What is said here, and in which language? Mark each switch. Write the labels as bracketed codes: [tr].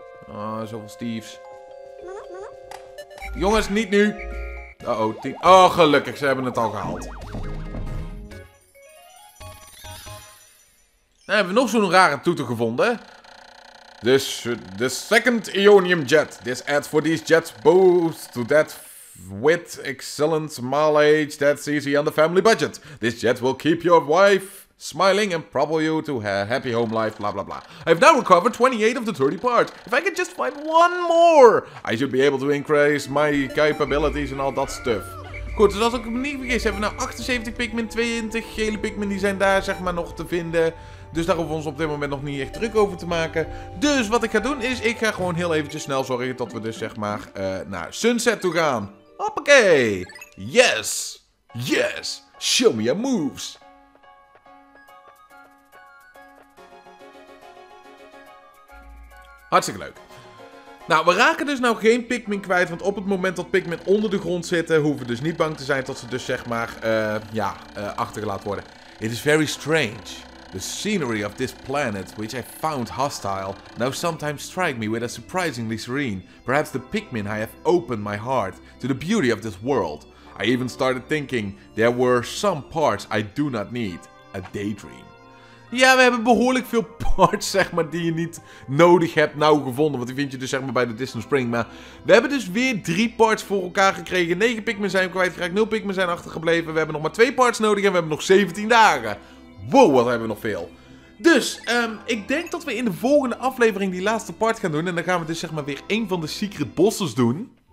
[nl] oh, zoveel Steve's. Jongens, niet nu! Uh-oh, oh, gelukkig. Ze hebben het al gehaald. Dan hebben we nog zo'n rare toeter gevonden. [en] This, the second Ionium jet. This adds for these jets boost to that with excellent mileage that's easy on the family budget. This jet will keep your wife smiling and propel you to her happy home life, blah blah blah. I've now recovered 28 of the 30 parts. If I could just find one more, I should be able to increase my capabilities and all that stuff. [nl] Goed, dus als ik me niet vergis, hebben we nou 78 Pikmin, 22 gele Pikmin, die zijn daar zeg maar nog te vinden. Dus daar hoeven we ons op dit moment nog niet echt druk over te maken. Dus wat ik ga doen is, ik ga gewoon heel eventjes snel zorgen dat we dus zeg maar naar Sunset toe gaan. Hoppakee! [en] Yes! Yes! Show me your moves! [nl] Hartstikke leuk. Nou, we raken dus nou geen Pikmin kwijt, want op het moment dat Pikmin onder de grond zitten, hoeven we dus niet bang te zijn dat ze dus zeg maar, achtergelaten worden. [en] It is very strange. The scenery of this planet, which I found hostile, now sometimes strike me with a surprisingly serene. Perhaps the Pikmin I have opened my heart to the beauty of this world. I even started thinking there were some parts I do not need. A daydream. [nl] Ja, we hebben behoorlijk veel parts, zeg maar, die je niet nodig hebt, nou gevonden. Want die vind je dus, zeg maar, bij de Distant Spring. Maar we hebben dus weer 3 parts voor elkaar gekregen. 9 Pikmin zijn kwijtgeraakt, 0 Pikmin zijn achtergebleven. We hebben nog maar 2 parts nodig en we hebben nog 17 dagen. Wow, wat hebben we nog veel. Dus, ik denk dat we in de volgende aflevering die laatste part gaan doen. En dan gaan we dus, zeg maar, weer één van de secret bosses doen.